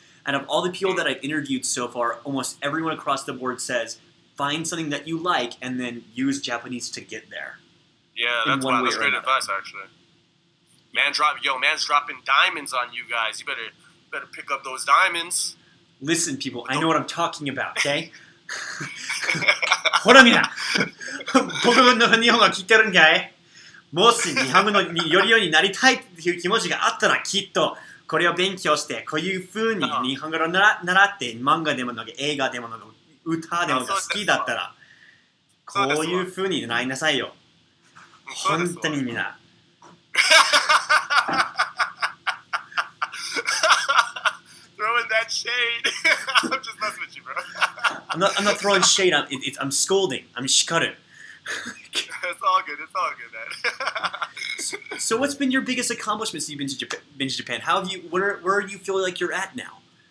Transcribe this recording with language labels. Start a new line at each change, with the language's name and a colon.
English: And of all the people that I've interviewed so far, almost everyone across the board says find something that you like and then use Japanese to get there. That's great advice, actually. Man's dropping diamonds on you guys. You better pick up those diamonds. Listen, people, I know what I'm talking about, okay?
Japanese: ほらみんな僕の日本語聞いてるんかい。もし日本語のよりようになりたいっていう気持ちがあったらきっとこれを勉強してこういう風に日本語を習って漫画でもなんか映画でもなんか歌でも好きだったらこういう風に習いなさいよ本当にみんな
English: throwing that shade I'm just messing with you bro I'm not throwing shade I'm scolding I'm 叱る It's all good, man. So what's been your biggest accomplishment since you've been to Japan? Where do you feel like you're at now?